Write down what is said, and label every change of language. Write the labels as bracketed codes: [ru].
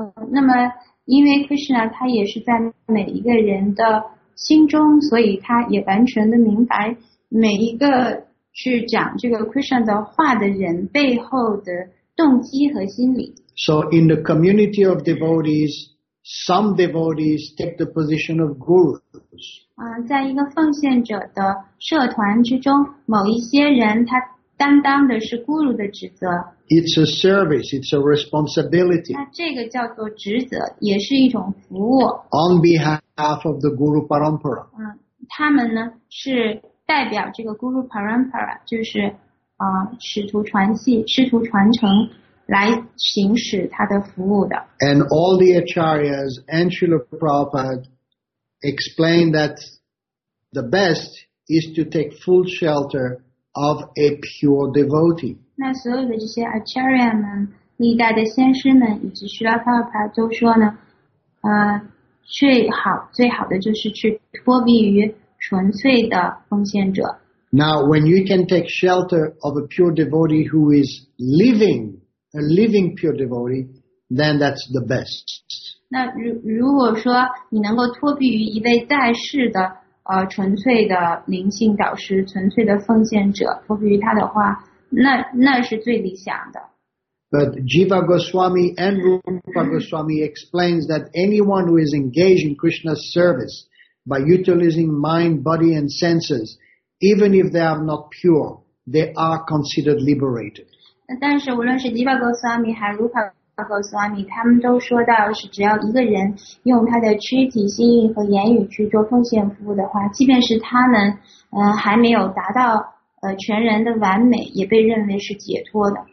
[zh] 那么因为 Krishna 他也是在每一个人的心中，所以他也完全的明白每一个去讲这个 Krishna 的话的人背后的动机和心理。 [en] So in the community of devotees, some devotees take the position of gurus. [zh] 在一个奉献者的社团之中，某一些人他担当的是 guru 的职责。 [en] It's a service, it's a responsibility. [zh] 那这个叫做职责，也是一种服务。 [en] On behalf of the guru parampara. [zh] 他们呢是代表这个 guru parampara， 就是师徒传系、师徒传承来行使他的服务的。 [en] And all the acharyas and Srila Prabhupada explain that the best is to take full shelter of a pure devotee. [zh] 那所有的这些 acharya 们、历代的先师们以及 Srila Prabhupada 都说呢，最好的就是去脱离于纯粹的奉献者。 [en] Now, when you can take shelter of a pure devotee who is living, a living pure devotee, then that's the best. [zh] 那如果说你能够脱避于一位在世的纯粹的灵性导师，纯粹的奉献者，脱避于他的话，那是最理想的。 [en] But Jiva Goswami and Rupa Goswami explains that anyone who is engaged in Krishna's service by utilizing mind, body and senses,even if they are not pure, they are considered liberated. [zh] 但是无论是吉巴格斯瓦米还是卢帕格斯瓦米，他们都说到是只要一个人用他的躯体、心意和言语去做奉献服务的话，即便是他们还没有达到全人的完美，也被认为是解脱的。